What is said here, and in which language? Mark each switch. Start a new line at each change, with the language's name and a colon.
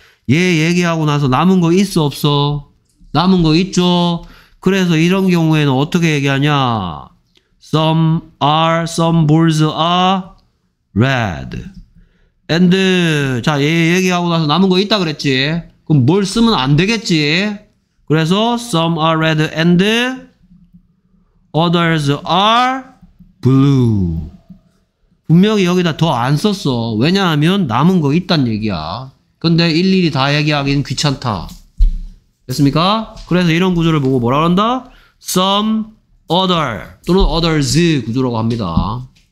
Korean: 얘 얘기하고 나서 남은 거 있어 없어? 남은 거 있죠. 그래서 이런 경우에는 어떻게 얘기하냐.
English: Some are, some balls are red.
Korean: And, 자, 얘 얘기하고 나서 남은 거 있다 그랬지. 그럼 뭘 쓰면 안 되겠지. 그래서
English: some are red and others are blue.
Korean: 분명히 여기다 더 안 썼어. 왜냐하면 남은 거 있단 얘기야. 근데 일일이 다 얘기하긴 귀찮다. 됐습니까? 그래서 이런 구조를 보고 뭐라 한다?
English: Some other
Korean: 또는 others 구조라고 합니다.